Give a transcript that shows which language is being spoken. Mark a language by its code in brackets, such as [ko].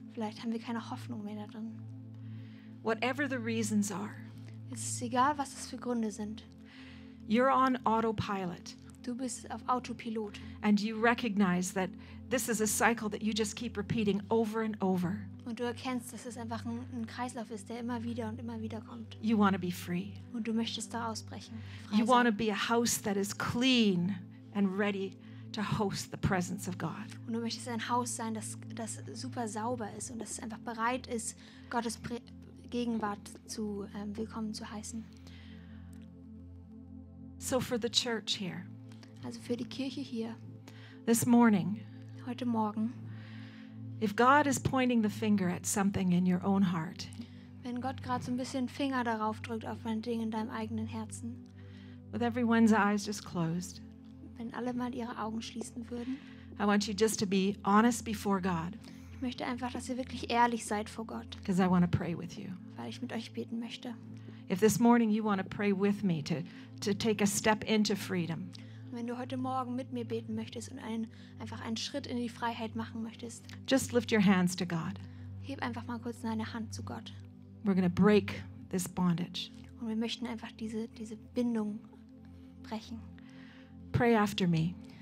[de] Vielleicht haben wir keine Hoffnung mehr darin. [en] Whatever the reasons are. [de] Es ist egal, was es für Gründe sind. [en] You're on autopilot. [de] Du bist auf Autopilot. [en] And you recognize that this is a cycle that you just keep repeating over and over. [de] Und du erkennst, dass es einfach ein Kreislauf ist, der immer wieder und immer wieder kommt. [en] You want to be free. [de] Und du möchtest da ausbrechen. [en] You want to be a house that is clean and ready to host the presence of God. [de] Und du möchtest ein Haus sein, das super sauber ist und das einfach bereit ist, Gottes Gegenwart zu willkommen zu heißen. [en] So for the church here. [de] Also für die Kirche hier. [en] This morning. [de] Heute Morgen. [en] If God is pointing the finger at something in your own heart. [de] Wenn Gott gerade so ein bisschen Finger darauf drückt auf ein Ding in deinem eigenen Herzen. [en] With everyone's eyes just closed. [de] Wenn alle mal ihre Augen schließen würden. [en] I want you just to be honest before God. [de] Ich möchte einfach, dass ihr wirklich ehrlich seid vor Gott. [en] Because I want to pray with you. [de] Weil ich mit euch beten möchte. [en] If this morning you want to pray with me to take a step into freedom. [de] Wenn du heute Morgen mit mir beten möchtest und einfach einen Schritt in die Freiheit machen möchtest. [en] Just lift your hands to God. [de] Heb einfach mal kurz deine Hand zu Gott. [en] We're going to break this bondage. [de] Und wir möchten einfach diese Bindung brechen. [en] Pray after me.